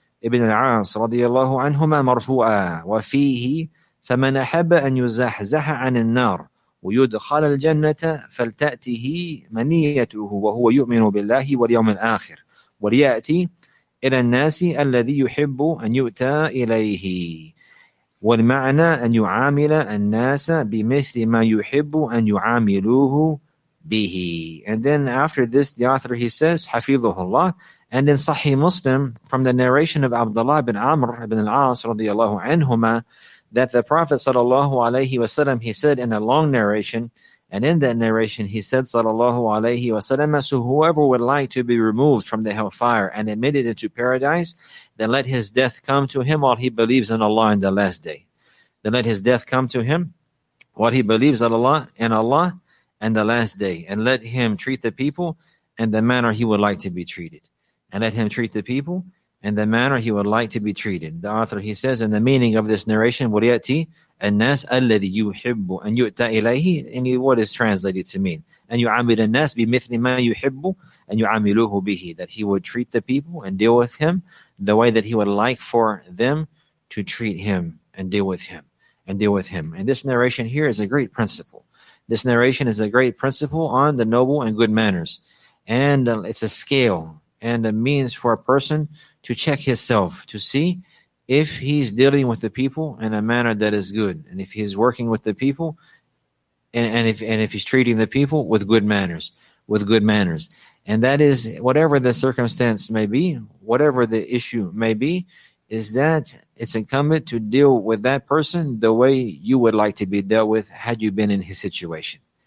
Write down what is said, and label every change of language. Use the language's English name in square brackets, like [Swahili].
[Arabic] ابن العاص رضي الله عنهما مرفوعا وفيه فمن أحب أن يزحزح عن النار ويدخل الجنة فلتأته منيته وهو يؤمن بالله واليوم الآخر وليأتي إلى الناس الذي يحب أن يؤتى إليه والمعنى أن يعامل الناس بمثل ما يحب أن يعاملوه به. [English] And then after this, the author, he says, حفظه الله. And in Sahih Muslim, from the narration of Abdullah ibn Amr ibn al-As radiyallahu anhuma, that the Prophet sallallahu alayhi wasallam, he said in a long narration, and in that narration he said sallallahu alayhi wasallam, so whoever would like to be removed from the hellfire and admitted into paradise, then let his death come to him while he believes in Allah in the last day. Then let his death come to him while he believes in Allah and the last day. And let him treat the people in the manner he would like to be treated. And let him treat the people in the manner he would like to be treated. The author, he says, in the meaning of this narration, [Arabic] وَلِيَأْتِي النَّاسَ الَّذِي يُحِبُّ أَنْ يُؤْتَى إِلَيْهِ. [English] Any word is translated to mean, [Arabic] أَنْ يُعَامِلَ النَّاسَ بِمِثْلِ مَا يُحِبُّ أَنْ يُعَامِلُوهُ بِهِ. [English] That he would treat the people and deal with him the way that he would like for them to treat him and deal with him. And this narration here is a great principle. This narration is a great principle on the noble and good manners. And it's a scale and a means for a person to check himself, to see if he's dealing with the people in a manner that is good, and if he's working with the people, and if he's treating the people with good manners, And that is, whatever the circumstance may be, whatever the issue may be, is that it's incumbent to deal with that person the way you would like to be dealt with had you been in his situation.